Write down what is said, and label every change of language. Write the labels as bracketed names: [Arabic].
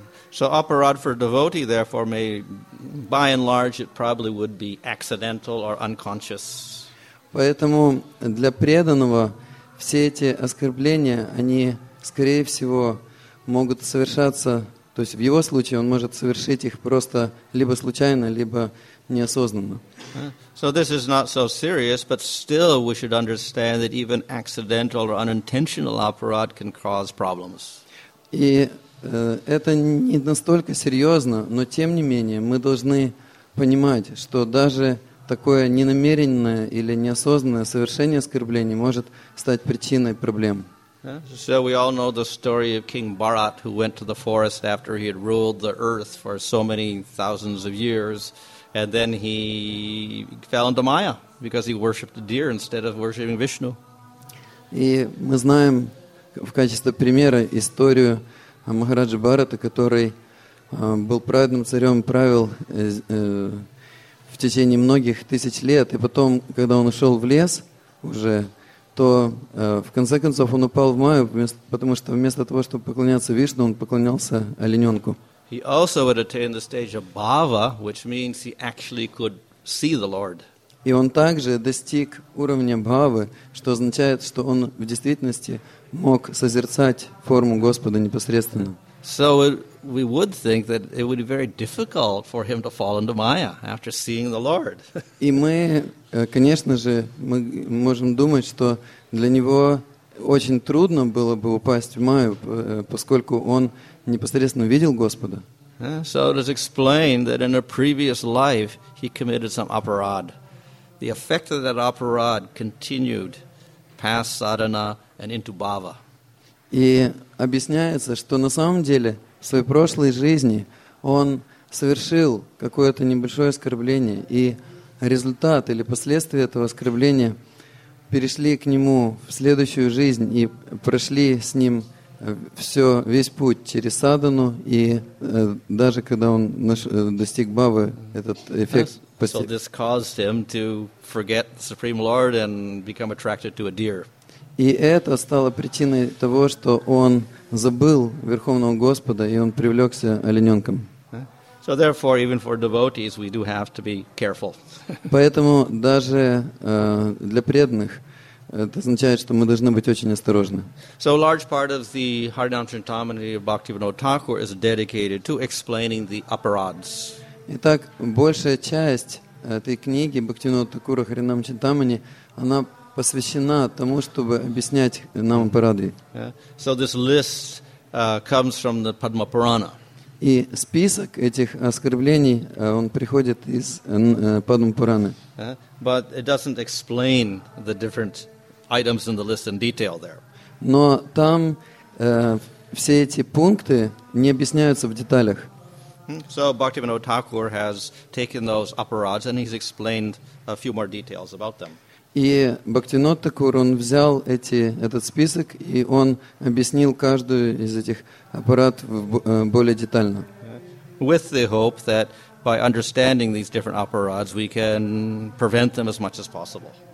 [English] So aparad for devotee, therefore, may, by and large, it probably would be accidental or unconscious. [Russian] Поэтому для преданного все эти оскорбления, они, скорее всего, могут совершаться. То есть в его случае он может совершить их просто либо случайно, либо неосознанно. [English] So this is not so serious, but still we should understand that even accidental or unintentional aparad can cause problems. [Russian] И это не настолько серьезно, но тем не менее мы должны понимать, что даже такое ненамеренное или неосознанное совершение оскорблений может стать причиной проблем. [English] So we all know the story of King Bharat, who went to the forest after he had ruled the earth for so many thousands of years, and then he fell into Maya because he worshipped a deer instead of worshipping Vishnu. [Russian] И мы знаем в качестве примера историю Махараджи Бхарата, который был праведным царем, правил в течение многих тысяч лет, и потом, когда он ушел в лес уже, то в конце концов он упал в Майю, потому что вместо того, чтобы поклоняться Вишну, он поклонялся олененку. [English] He also would attain the stage of bhava, which means he actually could see the Lord. [Russian] И он также достиг уровня бхавы, что означает, что он в действительности мог созерцать форму Господа непосредственно. [English] So we would think that it would be very difficult for him to fall into Maya after seeing the Lord. [Russian] И мы, конечно же, мы можем думать, что для него очень трудно было бы упасть в Майю, поскольку он непосредственно видел Господа. [English] So it is explained that in a previous life he committed some aparad. The effect of that aparad continued past sadhana and into bhava. [Russian] И объясняется, что на самом деле в своей прошлой жизни он совершил какое-то небольшое оскорбление, и результат или последствия этого оскорбления перешли к нему в следующую жизнь и прошли с ним все, весь путь через садхану, и даже когда он достиг бхавы, этот эффект постиг. [English] So this caused him to forget the Supreme Lord and become attracted to a deer. [Russian] И это стало причиной того, что он забыл Верховного Господа, и он привлекся олененком. [English] So therefore, even for devotees, we do have to be careful. [Russian] Поэтому даже для преданных это означает, что мы должны быть очень осторожны. [English] So a large part of the Haridam Chintamani of Bhaktivinoda Thakur is dedicated to explaining the aparadhas. [Russian] Итак, большая часть этой книги Бхактивинода Такура Харинам Чинтамани, она посвящена тому, чтобы объяснять нам парады. [English] So this list comes from the Padma Purana. [Russian] И список этих оскорблений, он приходит из Падма Пураны. [English] But it doesn't explain the different items in the list in detail there. [Russian] Но там все эти пункты не объясняются в деталях. [English] So Bhaktivinoda Thakur has taken those aparadhas and he's explained a few more details about them. [Russian] И Бхактивинода Такур, он взял этот список, и он объяснил каждую из этих аппарат более детально. [English] With the hope that by understanding these different aparads, we can prevent them as much as possible.